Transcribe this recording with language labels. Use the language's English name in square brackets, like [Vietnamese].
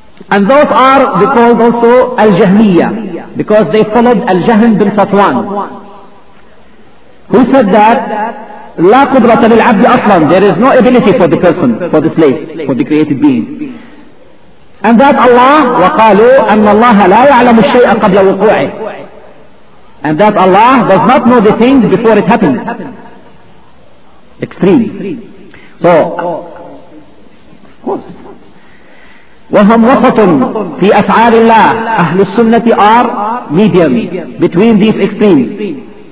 [English] And those are called also Al-Jahmiyya, because they followed Al-Jahm bin Safwan, who said that [Arabic] لا قدرة للعبد أصلا, [English] there is no ability for the person, for the slave, for the created being. And that Allah, [Arabic] وقالوا أن الله لا يعلم الشيء قبل وقوعه. [English] And that Allah does not know the thing before it happens. Extreme. So, of course. [Arabic] وَهُمْ وَسَطٌ فِي أَفْعَالِ اللَّهِ أَهْلُ السُّنَّةِ [English] are medium between these extremes.